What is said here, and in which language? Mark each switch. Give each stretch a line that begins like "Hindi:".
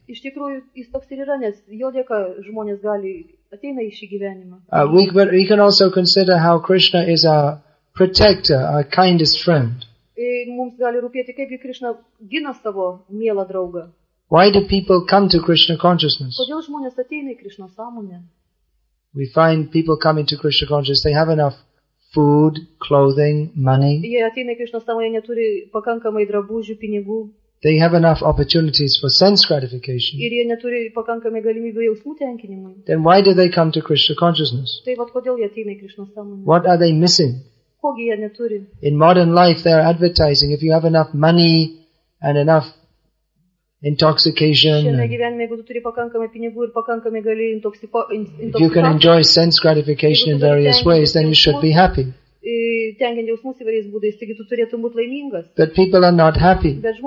Lithuanian: Iš tikrųjų, jis toks ir yra, nes jo dėka žmonės gali ateina į šį gyvenimą.
English: We can also consider how Krishna is our protector, our kindest friend.
Lithuanian: Mums gali rūpėti, kaip Krishna gina savo mielą draugą.
English: Why do people come to Krishna consciousness?
Lithuanian: Kodėl žmonės ateina į Krishna sąmonę?
English: We find people come into Krishna consciousness, they have enough food, clothing, money.
Lithuanian: Jie ateina į Krishna sąmonę, neturi pakankamai drabužių, pinigų.
English: They have enough opportunities for sense gratification.
Lithuanian: Ir jie neturi pakankamai galimybių jausmų tenkinimui.
English: Then why do they come to Krishna consciousness?
Lithuanian: Tai vat kodėl jie ateina į Krishna sąmonę?
English: What are they missing?
Lithuanian: Kogi jie neturi?
English: In modern life they are advertising, if you have enough money and enough intoxication.
Lithuanian: Šiame gyvenime, jeigu tu turi pakankamai pinigų ir pakankamai gali intoksikuoti.
English: If you can enjoy sense gratification in various ways, then you should be happy. But people are not happy.